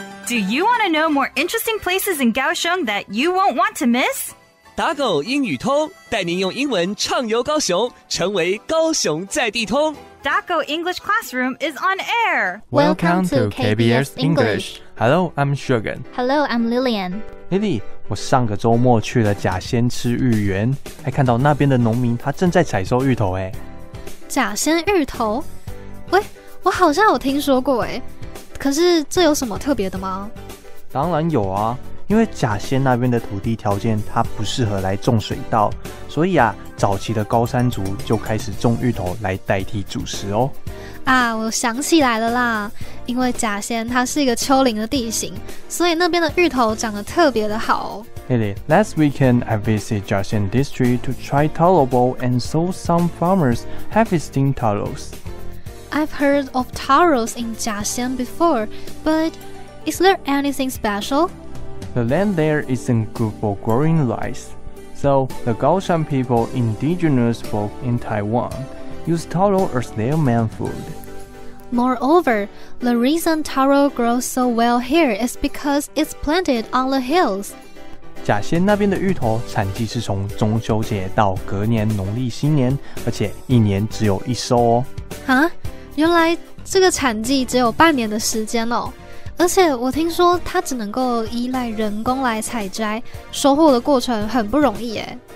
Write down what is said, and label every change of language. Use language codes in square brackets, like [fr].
[en] Do you want to know more interesting places in Kaohsiung that you won't want to miss? [zh] 打狗英语通，带您用英文畅游高雄，成为高雄在地通。 [en] Daco English Classroom is on air. Welcome to KBS English. Hello, I'm Sugan. Hello, I'm Lillian. [zh] Lily, 我上个周末去了甲仙吃芋圆，还看到那边的农民他正在采收芋头耶。甲仙芋头？喂，我好像有听说过耶。可是这有什么特别的吗？当然有啊，因为甲仙那边的土地条件它不适合来种水稻，所以啊，早期的高山族就开始种芋头来代替主食哦。啊，我想起来了啦，因为甲仙它是一个丘陵的地形，所以那边的芋头长得特别的好。 [en] Lily, last weekend I visited 甲仙 district to try talo bowl and saw some farmers harvesting talos. I've heard of talos in 甲仙 before, but is there anything special? The land there isn't good for growing rice. So, the Kaohsiung people, indigenous folk in Taiwan, use taro as their main food. Moreover, the reason taro grows so well here is because it's planted on the hills. [zh] 甲仙那边的芋头产季是从中秋节到隔年农历新年，而且一年只有一收哦。蛤？原来这个产季只有半年的时间哦。而且我听说它只能够依赖人工来采摘，收获的过程很不容易耶。